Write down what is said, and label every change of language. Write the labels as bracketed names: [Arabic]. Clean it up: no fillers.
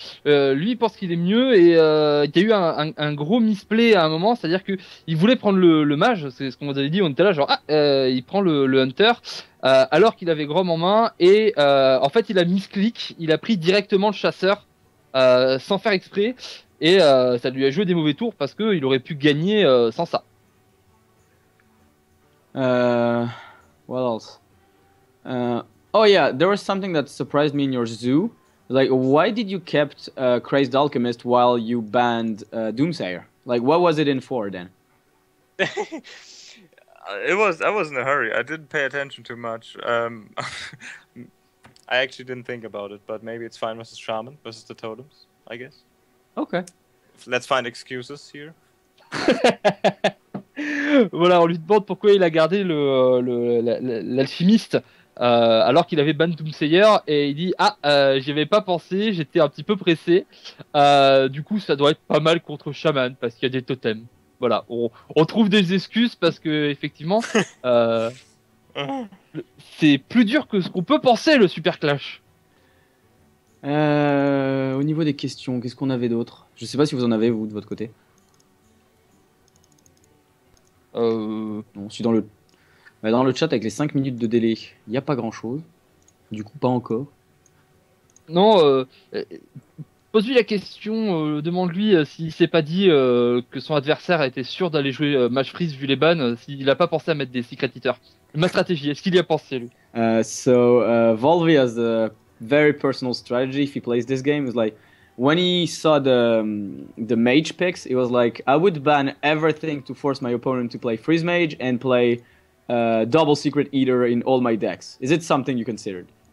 [French] Lui, il pense qu'il est mieux et il y a eu un gros misplay à un moment, c'est-à-dire qu'il voulait prendre le mage, c'est ce qu'on vous avait dit, on était là genre « Ah, il prend le Hunter », alors qu'il avait Grom en main et en fait, il a misclick, il a pris directement le chasseur sans faire exprès et ça lui a joué des mauvais tours parce qu'il aurait pu gagner sans ça. [English] What else? Oh yeah, there was something that surprised me in your zoo. Like, why did you kept Crazed Alchemist while you banned Doomsayer? Like, what was it in for then? I was in a hurry. I didn't pay attention too much. I actually didn't think about it, but maybe it's fine versus Shaman, versus the Totems, I guess. Okay. Let's find excuses here. [French] Voilà, on lui demande pourquoi il a gardé l'alchimiste. Alors qu'il avait ban Doomsayer et il dit ah j'y avais pas pensé, j'étais un petit peu pressé, du coup ça doit être pas mal contre Shaman parce qu'il y a des totems. Voilà, on trouve des excuses parce que effectivement c'est plus dur que ce qu'on peut penser le Super Clash. Au niveau des questions, qu'est-ce qu'on avait d'autre? Je sais pas si vous en avez vous de votre côté. Non, je suis dans le chat, avec les 5 minutes de délai, il n'y a pas grand-chose. Du coup, pas encore. Non, pose-lui la question, demande-lui s'il s'est pas dit que son adversaire a été sûr d'aller jouer match freeze vu les bans, s'il n'a pas pensé à mettre des secret eaters. Ma stratégie, est-ce qu'il y a pensé, lui? [English] Volvi has a very personal strategy if he plays this game. It's like, when he saw the mage picks, he was like, I would ban everything to force my opponent to play freeze mage and play double secret eater in all my decks. Is it something you considered?